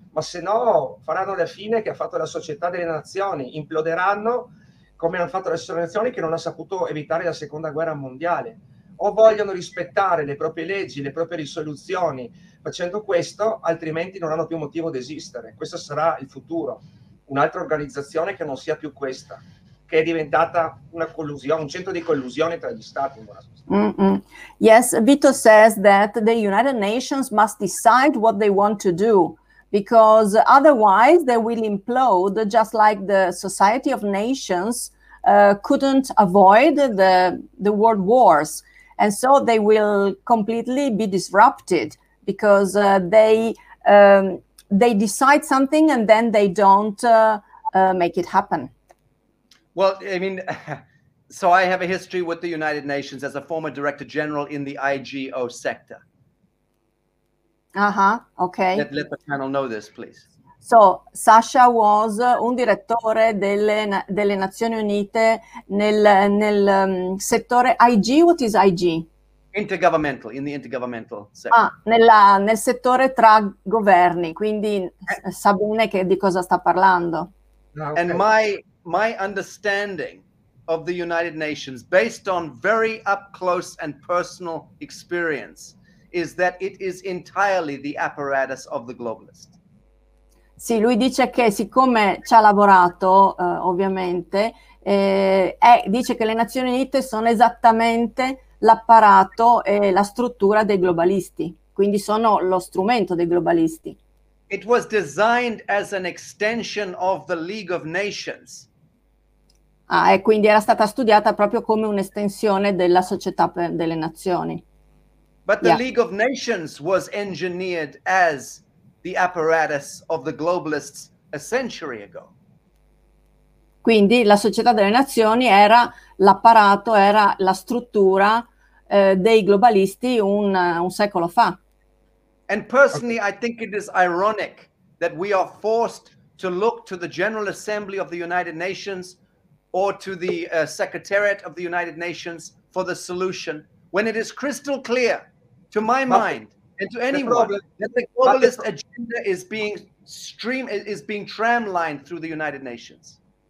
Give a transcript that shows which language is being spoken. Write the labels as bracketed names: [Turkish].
[Italian] Ma se no faranno la fine che ha fatto la società delle nazioni, imploderanno come hanno fatto le nazioni che non ha saputo evitare la Seconda Guerra Mondiale. O vogliono rispettare le proprie leggi, le proprie risoluzioni, facendo questo, altrimenti non hanno più motivo di esistere. Questo sarà il futuro. un'altra organizzazione che non sia più questa, che è diventata una collusione, un centro di collusione tra gli stati. In buona sostanza. [English] Yes, Vito says that the United Nations must decide what they want to do, because otherwise they will implode, just like the Society of Nations couldn't avoid the world wars. And so they will completely be disrupted, because they decide something and then they don't make it happen. Well, I mean, so I have a history with the United Nations as a former director general in the IGO sector. Uh-huh, okay. Let the panel know this, please. So, Sasha was [Italian] un direttore delle Nazioni Unite nel settore IG. [English] What is IG? Intergovernmental, in the intergovernmental sector. [Italian] Ah, nel settore tra governi, quindi sa bene che di cosa sta parlando. [English] Okay. And my understanding of the United Nations, based on very up close and personal experience, is that it is entirely the apparatus of the globalist. [Italian] Sì, lui dice che siccome ci ha lavorato, ovviamente, dice che le Nazioni Unite sono esattamente l'apparato e la struttura dei globalisti, quindi sono lo strumento dei globalisti. [English] It was designed as an extension of the League of Nations. [Italian] Ah, e quindi era stata studiata proprio come un'estensione della Società delle Nazioni. [English] But the League of Nations was engineered as the apparatus of the globalists a century ago. [Italian] Quindi la Società delle Nazioni era l'apparato, era la struttura dei globalisti un secolo fa. [English] And personally, okay. I think it is ironic that we are forced to look to the General Assembly of the United Nations or to the Secretariat of the United Nations for the solution, when it is crystal clear to my mind and to anyone that the globalist agenda is being tramlined through the United Nations.